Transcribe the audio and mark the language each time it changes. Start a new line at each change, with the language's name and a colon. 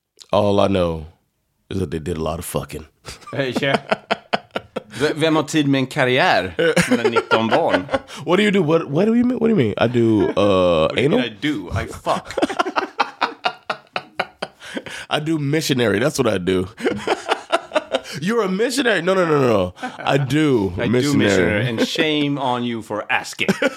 English: All I know is that they did a lot of fucking. Yeah.
Swedish: Vem har tid med en karriär med 19 barn?
English: What do you do? What do you mean? What do you mean? I do anal? What do you mean I do? I fuck. I do missionary. That's what I do. You're a missionary. No. I do missionary. And shame on you for asking.